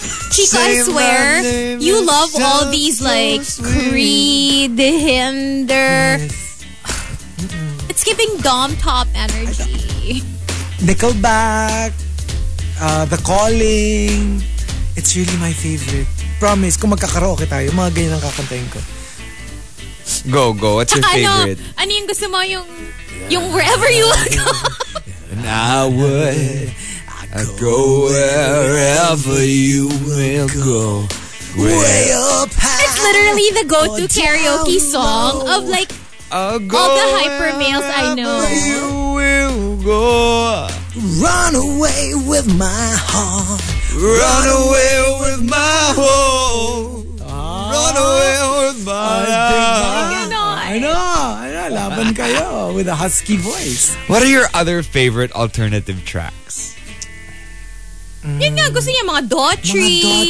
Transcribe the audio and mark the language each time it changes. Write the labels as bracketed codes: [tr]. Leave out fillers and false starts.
[en] Chico, I swear, you love all these like Creed, Hinder. It's giving Dom Top energy. Nickelback, The Calling. It's really my favorite. [tl] Promise, kung magkakaraoke tayo, mga ganyan ang kakantayin ko. [en] Go, go. What's your favorite? [tl] Ano yung gusto mo? [en] Yung wherever you want to go. And I would go wherever you will go. Way up high. It's literally the go-to karaoke song of like all the hyper males I know. You will go. Run away with my heart. Run away with my home. Run away with my love. I know. [tl] Laban kayo [en] with a husky voice. What are your other favorite alternative tracks? [tl] Yan nga, gusto niya mga Daughtry.